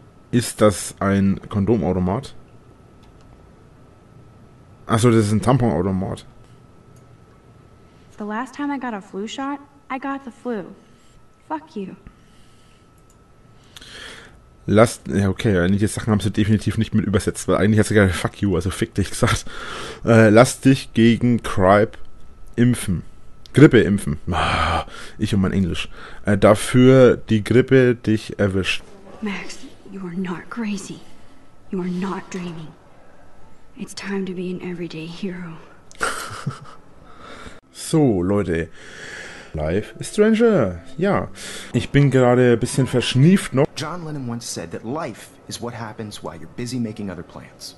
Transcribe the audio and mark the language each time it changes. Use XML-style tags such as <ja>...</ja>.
<de>Ist das ein Kondomautomat? Achso, das ist ein Tamponautomat.</de> <en>The last time I got a flu shot, I got the flu. Fuck you.</en> <de>Last, ja okay, einige Sachen haben sie definitiv nicht mit übersetzt, weil eigentlich hat sie gerade</de> <en>fuck you,</en> <de>also fick dich gesagt. Lass dich gegen Gripe impfen. Grippe impfen. Ich und mein Englisch. Dafür die Grippe dich erwischt.</de> <en>Max, you are not crazy. You are not dreaming. It's time to be an everyday hero.</en> <de>So, Leute.</de> <en>Life is Stranger.</en> <de>Ja. Ich bin gerade ein bisschen verschnieft noch.</de> <en>John Lennon once said that life is what happens while you're busy making other plans.</en>